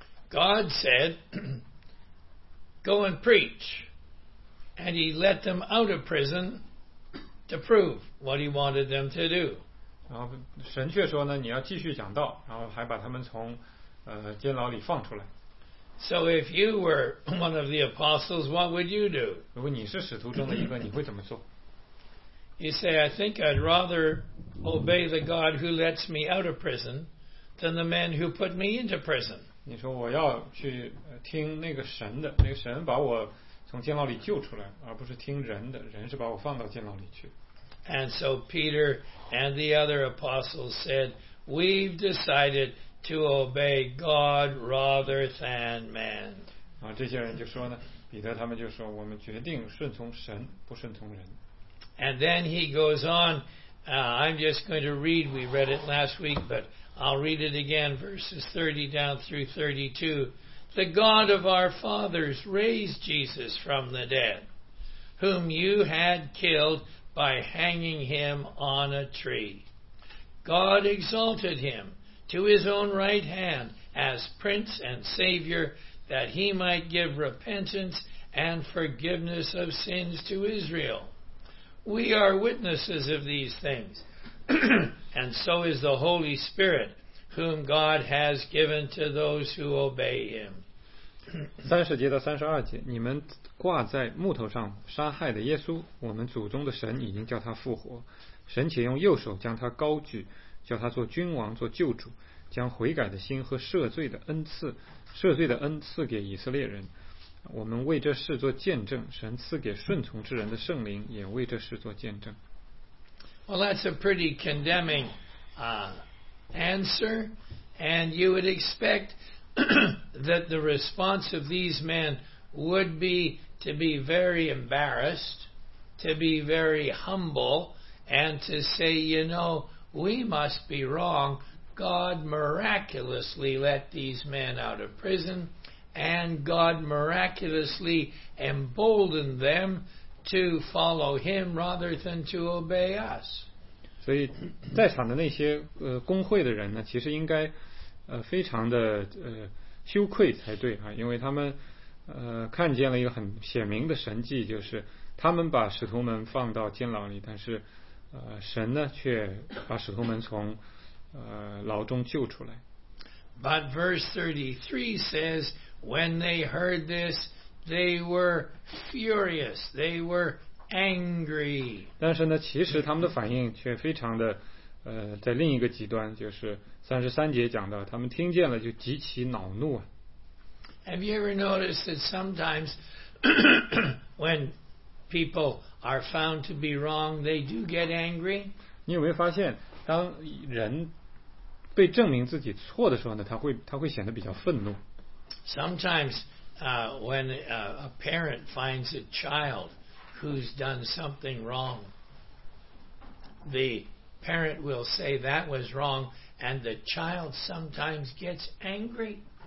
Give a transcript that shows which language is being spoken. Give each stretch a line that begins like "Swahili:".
English: God said, "Go and preach," and He let them out of prison to prove what He wanted them to do.
Chinese: 然后神却说呢，你要继续讲道，然后还把他们从监牢里放出来。
English: So if you were one of the apostles, what would you do?
Chinese: 如果你是使徒中的一个，你会怎么做？
English: You say, I think I'd rather obey the God who lets me out of prison than the men who put me into prison.
Chinese: 你说我要去听那个神的，那个神把我从监牢里救出来，而不是听人的，人是把我放到监牢里去。
English: And so Peter and the other apostles said, "We've decided to obey God rather than man."
Chinese: 啊，这些人就说呢，彼得他们就说，我们决定顺从神，不顺从人。
English: And then he goes on. I'm just going to read. We read it last week, but I'll read it again. Verses 30 down through 32. The God of our fathers raised Jesus from the dead, whom you had killed. By hanging him on a tree. God exalted him to his own right hand as Prince and Savior that he might give repentance and forgiveness of sins to Israel. We are witnesses of these things, and so is the Holy Spirit, whom God has given to those who obey him.
Chinese: 30节到32节，你们挂在木头上杀害的耶稣，我们祖宗的神已经叫他复活，神且用右手将他高举，叫他做君王，做救主，将悔改的心和赦罪的恩赐给以色列人。我们为这事做见证，神赐给顺从之人的圣灵也为这事做见证。
English: Well, that's a pretty condemning answer, and you would expect that the response of these menwould be to be very embarrassed, to be very humble, and to say, you know, we must be wrong. God miraculously let these men out of prison, and God miraculously emboldened them to follow him rather than to obey us.
Chinese: 所以在场的那些工会的人呢，其实应该非常的羞愧才对啊，因为他们看见了一个很显明的神迹，就是他们把使徒们放到监牢里，但是神呢却把使徒们从牢中救出来。
English: But verse 33 says, when they heard this, they were furious. They were angry.
Chinese: 但是呢，其实他们的反应却非常的在另一个极端，就是33节讲到，他们听见了就极其恼怒。
English: Have you ever noticed that sometimes when people are found to be wrong, they do get angry?
Chinese: 你有没有发现，当人被证明自己错的时候呢，他会显得比较愤怒。
English: Sometimes, when a parent finds a child who's done something wrong, the parent will say that was wrong, and the child sometimes gets angry.